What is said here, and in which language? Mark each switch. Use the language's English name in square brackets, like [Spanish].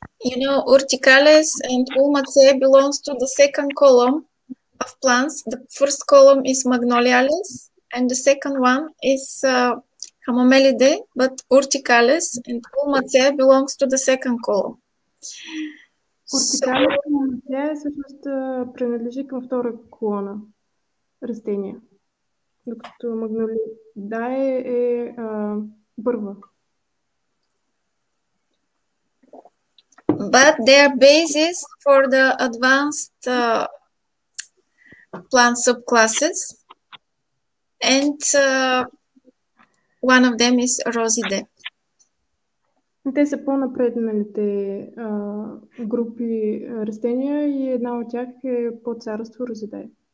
[English] You know, Urticales and Ulmaceae belongs to the second column of plants. The first column is Magnoliales, and the second one is Hamamelidae, but Urticales and Ulmaceae belongs to the second column. [Bulgarian] Urticales към втора колона растения, докато Magnoliidae е първа. [English] But they are basis for the advanced plant subclasses, and one of them is Rosidae. [Bulgarian] Те са по-напредналите групи растения и една от тях е по-царство Rosidae.